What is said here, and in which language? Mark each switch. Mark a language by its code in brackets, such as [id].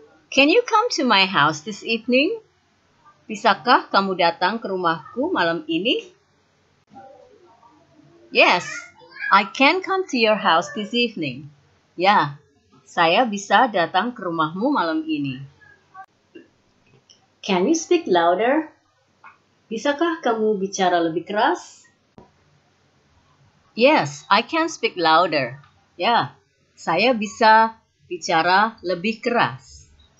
[en] Can you come to my house this evening? [id] Bisakah kamu datang ke rumahku malam ini? [en] Yes, I can come to your house this evening. [id] Ya, saya bisa datang ke rumahmu malam ini. [en] Can you speak louder? [id] Bisakah kamu bicara lebih keras? [en] Yes, I can speak louder. [id] Ya, saya bisa bicara lebih keras.